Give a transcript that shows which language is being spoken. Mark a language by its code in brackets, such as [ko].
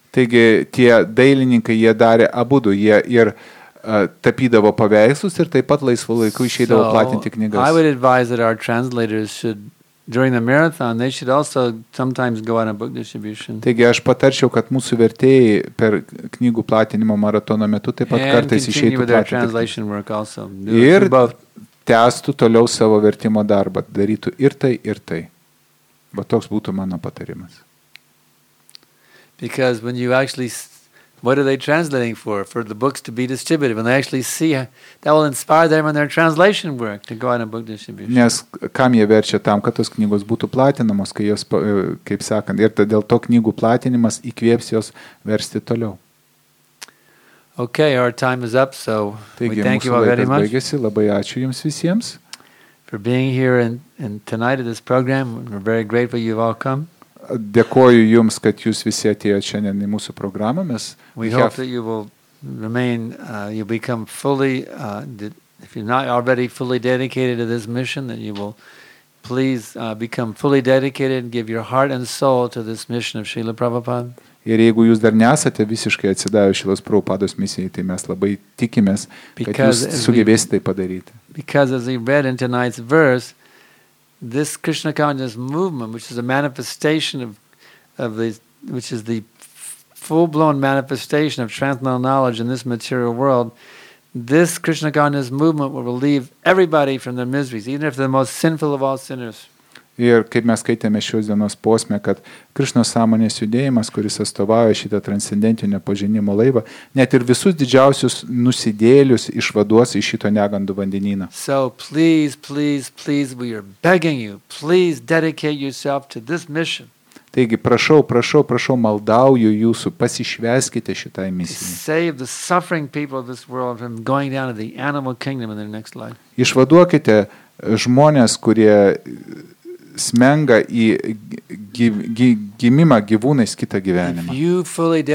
[lt] Taigi tie dailininkai jie darė abudu, jie ir tapydavo paveikslus ir taip pat laisvu laiku išeidavo platinti knygas. [en] So I would advise that our translators should during the marathon they should also sometimes go on a book distribution. [lt] Taigi aš patarčiau, kad mūsų vertėjai per knygų platinimo maratono metu taip pat kartais išeitų platinti. [en] Their translation work also. [lt] Ir tęstų toliau savo vertimo darbą, darytų ir tai, ir tai. Va toks būtų mano patarimas. [en] Because when you actually what are they translating for the books to be distributed when they actually see that will inspire them in their translation work to go on a book distribution. [lt] Nes kam jie verčia tam, kad tos knygos būtų platinamos, kai jos kaip sakant, ir dėl to knygų platinimas įkvėps jos versti toliau. [en] Okay, our time is up, so [lt] taigi, [en] we thank you all very much. [lt] Baigėsi, labai ačiū jums visiems. [en] For being here and tonight at this program, we're very grateful you've all come. [lt] Dėkoju jums, kad jūs visi atėjote šiandien į mūsų programą. Mes [en] we have, hope that you will remain, you become fully, if you're not already fully dedicated to this mission, that you will please become fully dedicated and give your heart and soul to this mission of Srila Prabhupada. [lt] Ir jeigu jūs dar nesate visiškai atsidavę Šilos Prabhupados misijai, tai mes labai tikimės, kad jūs sugebėsite tai padaryti. [en] Because as we read in tonight's verse, this Krishna consciousness movement, which is a manifestation of the, which is the full-blown manifestation of transcendental knowledge in this material world, this Krishna consciousness movement will relieve everybody from their miseries, even if they're the most sinful of all sinners. [lt] Ir kaip mes skaitėme šios dienos posmę, kad Krišnos sąmonės judėjimas, kuris atstovauja šitą transcendentinio pažinimo laivą, net ir visus didžiausius nusidėlius išvaduos iš šito negandų vandenyną. [en] So please, please, please, we are begging you, please dedicate yourself to this mission. [lt] Taigi, prašau, prašau, prašau, maldauju jūsų, pasišveskite šitai misijai. Išvaduokite žmonės, kurie smenga į gimimą gyvūnais kitą gyvenimą.